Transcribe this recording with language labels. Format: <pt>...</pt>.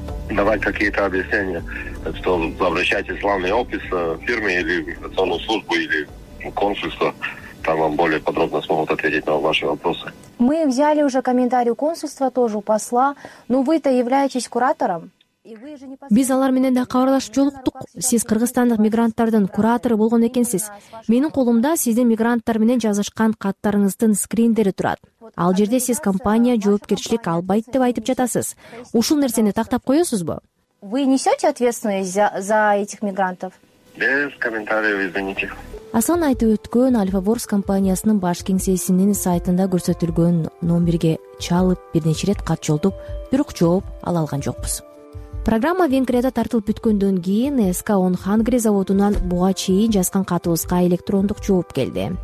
<ru>Давать какие-то объяснения, что обращайтесь в главный офис фирмы или в национальную службу, или в консульство. Там вам более подробно смогут ответить на ваши вопросы. Мы взяли уже комментарий у консульства тоже, у посла. Но вы-то являетесь куратором.</ru> <ky>Биз алар менен да кабарлашып жолуктук. Сиз кыргызстандык мигранттардын куратору болгон экенсиз. Менин колумда сиздин мигранттар менен жазышкан каттарыңыздын скриндери турат. Ал жерде сиз компания жоопкерчилик албайт деп айтып жатасыз. Ушул нерсени тактап коесузбу?</ky> <ru>Вы несете ответственность за этих мигрантов? Без комментариев, извините.</ru> <ky>Асан айтып өткөн Alpha Works компаниясынын баш кеңсесинин сайтында көрсөтүлгөн номерге чалып бир нече ирет кат жолдуп, бирок жооп ала алган жокпуз. Программа Венгрияда тартылып бүткөндөн кийин SK On Hungary заводунан буга чейин жазган катыбызга электрондук жооп келди.</ky>